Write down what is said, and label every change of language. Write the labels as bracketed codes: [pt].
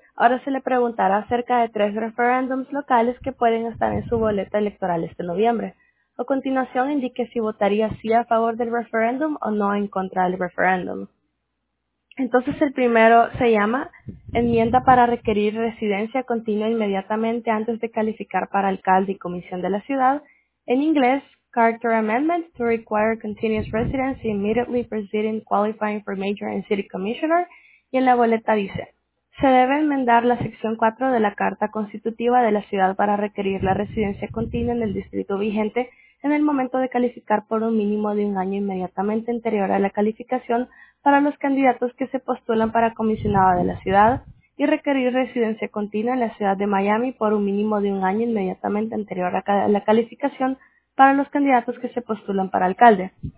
[es] Ahora se le preguntará acerca de 3 referéndums locales que pueden estar en su boleta electoral este noviembre. A continuación, indique si votaría sí a favor del referéndum o no en contra del referéndum. Entonces, el primero se llama enmienda para requerir residencia continua inmediatamente antes de calificar para alcalde y comisión de la ciudad. En inglés, [en] Character Amendment to require continuous residency immediately preceding qualifying for mayor and city commissioner. [es] Y en la boleta dice, se debe enmendar la sección 4 de la Carta Constitutiva de la ciudad para requerir la residencia continua en el distrito vigente en el momento de calificar por un mínimo de un año inmediatamente anterior a la calificación para los candidatos que se postulan para comisionado de la ciudad y requerir residencia continua en la ciudad de Miami por un mínimo de un año inmediatamente anterior a la calificación para los candidatos que se postulan para alcalde.